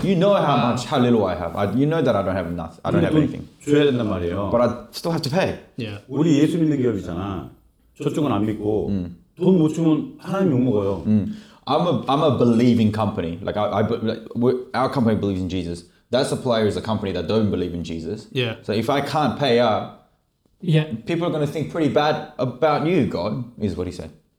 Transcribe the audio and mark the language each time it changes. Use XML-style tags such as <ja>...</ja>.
<en>You know how much, how little I have. You know that I don't have nothing. I don't have anything.</en> <ko>줘야 된단 말이에요.</ko> <en>But I still have to pay. Yeah.</en> <ko>우리 예수 믿는 기업이잖아. 저쪽은 안 믿고 돈 못 주면 하나님 욕 먹어요.</ko> <en>I'm a believing company. Like our company believes in Jesus. That supplier is a company that don't believe in Jesus. Yeah. So if I can't pay up, people are going to think pretty bad about you, God, is what he said.</en>